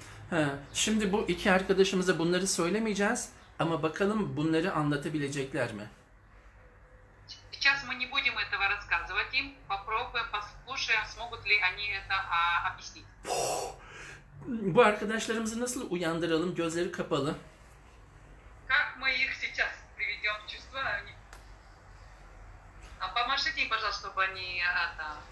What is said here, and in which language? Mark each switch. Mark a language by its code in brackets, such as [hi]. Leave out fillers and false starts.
[tr] Ha, şimdi bu iki arkadaşımıza bunları söylemeyeceğiz ama bakalım bunları anlatabilecekler mi? [ru] Сейчас мы не будем этого рассказывать им. Попробуем, послушаем, смогут ли они это объяснить. [tr] Bu arkadaşlarımızı nasıl uyandıralım? Gözleri kapalı. [ru] Как мы их сейчас приведем в чувство? Они... А помашите им, пожалуйста, чтобы они это...